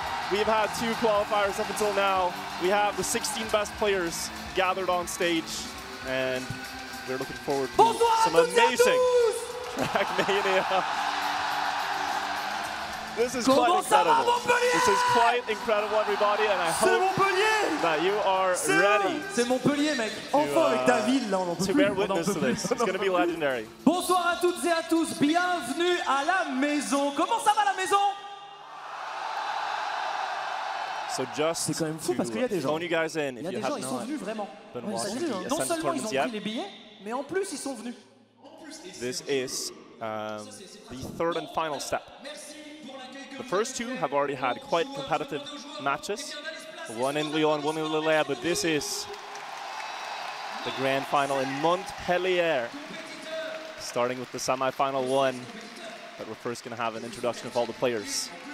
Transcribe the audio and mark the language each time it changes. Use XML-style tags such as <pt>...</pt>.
<en>We've had two qualifiers up until now. We have the 16 best players gathered on stage, and we're looking forward to some amazing Trackmania. This is quite incredible. This is quite incredible, everybody, and I hope that you are ready.</en> <fr>C'est Montpellier, mec. Enfin, avec ta ville, là, on en peut plus.</fr> <en>To bear witness to this. It's going to be legendary.</en> <fr>Bonsoir à toutes et à tous. Bienvenue à la maison. Comment ça va, la maison?</fr> <en>So just</en> <fr>c'est quand même fou, parce qu'il y a des gens.</fr> <en>Phone you guys in if</en> <fr>il y a des gens, ils sont venus, vraiment. Non seulement ils ont pris les billets, mais en plus, ils sont venus.</fr> <en>This is the third and final step. The first two have already had quite competitive matches. One in Lyon, one in Lille, but this is the grand final in Montpellier. Starting with the semi-final one, but we're first going to have an introduction of all the players.</en>